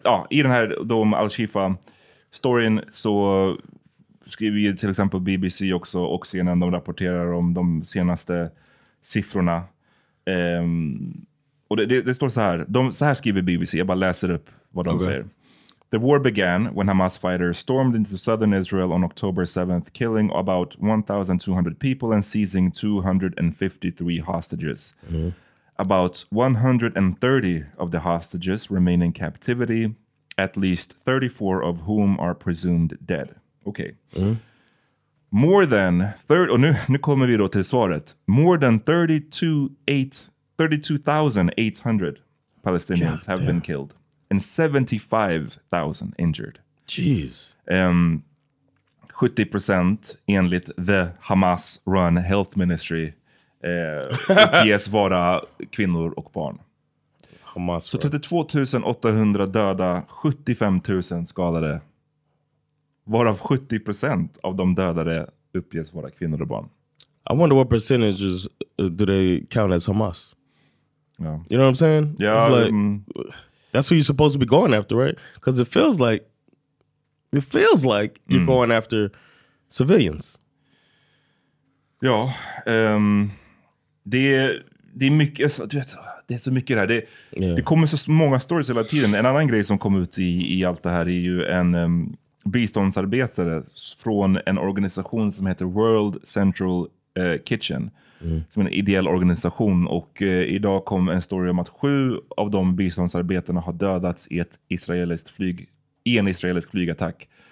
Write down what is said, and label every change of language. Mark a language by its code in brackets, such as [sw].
[sv] I den här Al-Shifa storyn, så skriver ju till exempel BBC också, och CNN, de rapporterar om de senaste siffrorna. Och det står så här. Så här skriver BBC, jag bara läser upp vad de säger. [en] The war began when Hamas fighters stormed into southern Israel on October 7th, killing about 1,200 people and seizing 253 hostages. About 130 of the hostages remain in captivity, at least 34 of whom are presumed dead. Okay. More than 30, [sv] och nu kommer vi då till svaret. [en] More than 32,800 Palestinians have been killed and 75,000 injured. Jeez. [sv] 70% enligt [en] the Hamas run health ministry [sv] uppges vara kvinnor och barn. [en] Hamas. [sv] Så 32,800 döda, 75,000 skadade. Varav 70% av de dödade uppges vara kvinnor och barn. [en] I wonder what percentages do they count as Hamas? Yeah. You know what I'm saying? Yeah, it's like, that's who you're supposed to be going after, right? Because it feels like you're going after civilians. [sv] Ja, det är mycket, det är så mycket här. Det kommer så många stories hela tiden. En annan grej som kom ut i allt det här är ju en biståndsarbetare från en organisation som heter World Central Kitchen, som är en ideell organisation, och idag kom en story om att 7 av de biståndsarbetarna har dödats i ett israeliskt flyg, i en israelisk flygattack.